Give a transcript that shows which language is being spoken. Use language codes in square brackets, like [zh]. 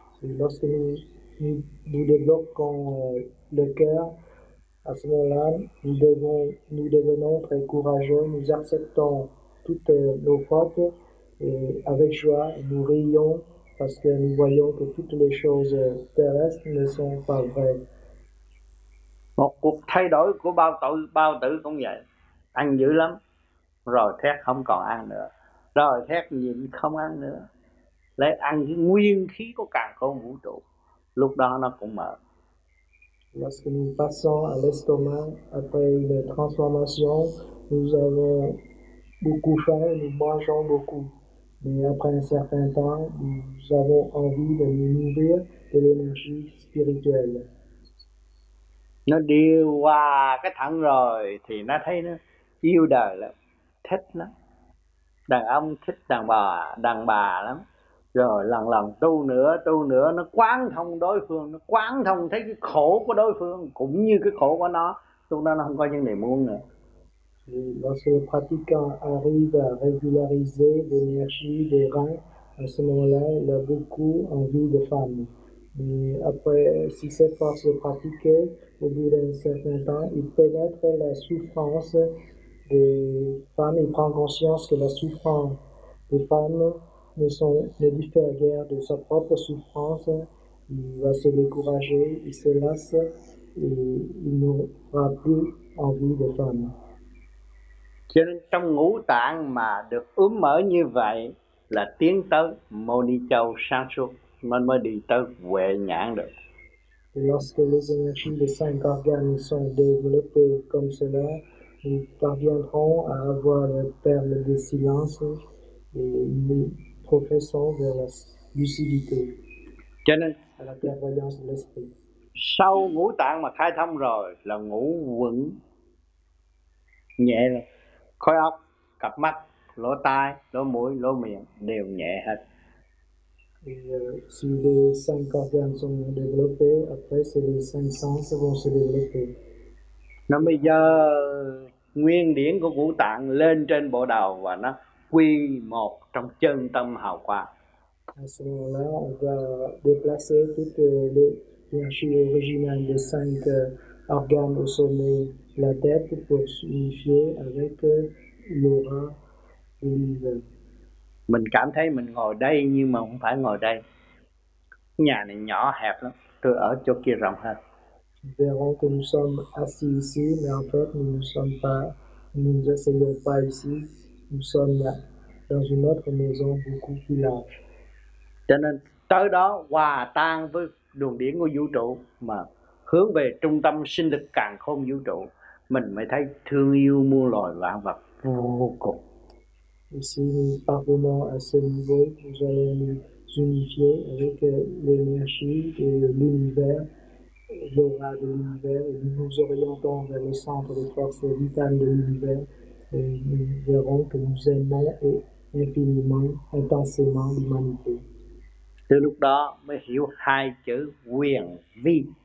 [fr] Et lorsque nous débloquons le cœur, à ce moment-là, nous devenons très courageux, nous acceptons toutes nos fautes et avec joie nous rions parce que nous voyons que toutes les choses terrestres ne sont pas vraies. [vi] Một cuộc thay đổi của bao tội bao tử cũng vậy, ăn dữ lắm rồi thét không còn ăn nữa, rồi thét nhịn không ăn nữa, lấy ăn cái nguyên khí của càn khôn vũ trụ, lúc đó nó cũng mở. [fr] Lorsque nous passons à l'estomac après une transformation, nous avons beaucoup faim, nous mangeons beaucoup. Mais après un certain temps, nous avons envie de nous nourrir de l'énergie spirituelle. [vi] Nó điều hòa cái thận rồi thì nó thấy nó yêu đời lắm, thích lắm. Đàn ông thích đàn bà lắm. Rồi lần lần tu nữa nó quán thông đối phương, nó quán thông thấy cái khổ của đối phương cũng như cái khổ của nó. Lúc đó nó không có những niềm muốn nữa. [fr] Lorsque le pratiquant arrive à régulariser l'énergie des reins, à ce moment-là, il a beaucoup envie de femme. Mais après, si cette force est pratiquée, au bout d'un certain temps, il pénètre la souffrance des femmes et prend conscience que la souffrance des femmes ne diffère guère de sa propre souffrance. Il va se décourager, il se lasse et il n'aura plus envie de femme. [vi] Cho nên trong ngũ tạng mà được ướm mở như vậy là tiến tới Moni Châu sáng suốt, nên mới đi tới Huệ Nhãn được. [fr] Lorsque les énergies des cinq organes sont développées comme cela, nous parviendrons à avoir la perle de silence et nous progressons vers la lucidité, [vi] cho nên, [fr] à la clairvoyance de l'esprit. [vi] Sau ngũ tạng mà khai thông rồi là ngũ quẩn nhẹ rồi. Khối óc, cặp mắt, lỗ tai, lỗ mũi, lỗ miệng đều nhẹ hết. [fr] Si les cinq organes sont développés, après les cinq sens vont se développer. [vi] Nó bây giờ nguyên điển của ngũ tạng lên trên bộ đầu và nó quy một trong chân tâm hào quang. [fr] À ce moment-là, on va déplacer toute l'énergie originale des cinq organes au sommet. La tête pour s'unifier avec l'aura de l'univers. [vi] Mình cảm thấy mình ngồi đây nhưng mà không phải ngồi đây. Nhà này nhỏ hẹp lắm, tôi ở chỗ kia rộng hơn. [fr] Verrons que nous sommes assis ici, mais en fait nous ne asseyons pas ici. Nous sommes là, dans une autre maison beaucoup plus large. [vi] Cho nên tới đó hòa tan với đường điển của vũ trụ mà hướng về trung tâm sinh lực càn khôn vũ trụ, mình mới thấy thương yêu muôn loài vạn vật vô cùng. [fr] Ici, nous parvenons à ce niveau, nous allons nous unifier avec l'énergie de l'univers, l'aura de l'univers, et nous nous orientons vers le centre de force vitale de l'univers, et nous verrons que nous aimons infiniment, intensément l'humanité. [vi] Từ lúc đó, mới hiểu hai chữ quyền vi.